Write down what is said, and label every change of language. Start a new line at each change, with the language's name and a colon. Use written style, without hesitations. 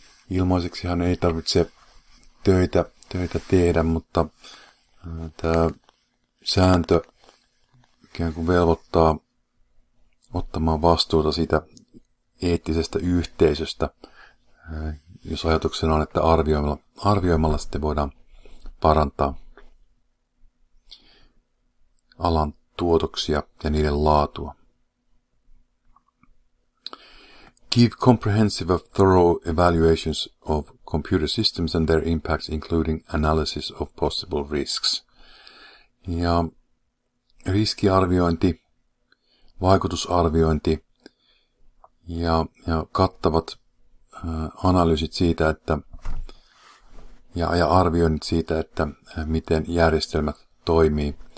Finnish: Ilmaiseksihan ei tarvitse töitä tehdä, mutta tämä sääntö ikään kuin velvoittaa ottamaan vastuuta siitä eettisestä yhteisöstä, jos ajatuksena on, että arvioimalla sitten voidaan parantaa alan tuotoksia ja niiden laatua.
English: Give comprehensive and thorough evaluations of computer systems and their impacts, including analysis of possible risks.
Finnish: Ja riskiarviointi, vaikutusarviointi ja kattavat analyysit siitä, että ja arvioinnit siitä, että miten järjestelmät toimii.